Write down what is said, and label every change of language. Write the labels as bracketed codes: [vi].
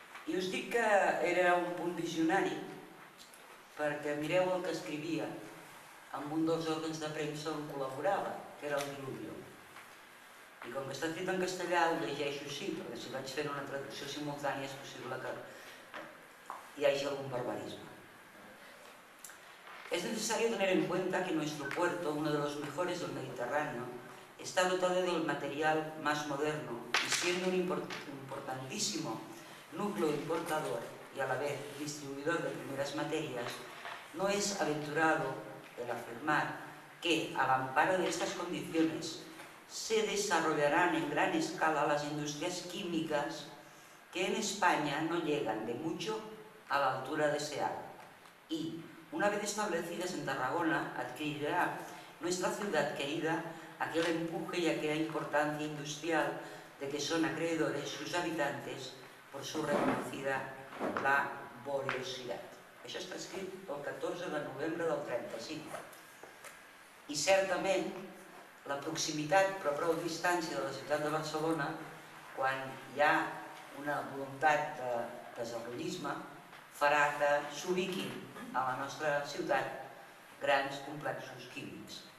[ca] I us dic que era un punt visionari, perquè mireu el que escrivia amb un dels òrgans de premsa on col·laborava, que era El Diluvio. I com que està escrit en castellà, ho llegeixo així, perquè si vaig fent una traducció simultània és possible que... hi hagi algun barbarisme. [es] Es necesario tener en cuenta que nuestro puerto, uno de los mejores del Mediterráneo, está dotado del material más moderno y siendo un importantísimo núcleo importador y a la vez distribuidor de primeras materias, no es aventurado el afirmar que, al amparo de estas condiciones, se desarrollarán en gran escala las industrias químicas que en España no llegan de mucho a la altura deseada y, una vez establecidas en Tarragona, adquirirá nuestra ciudad querida aquel empuje y aquella importancia industrial de que son acreedores sus habitantes por su reconocida laboriosidad. [ca] Això està escrit el 14 de novembre del 35. I certament la proximitat, però prou distància de la ciutat de Barcelona, quan hi ha una voluntat de desenvolupisme, farà que s'ubiquin a la nostra ciutat grans complexos químics.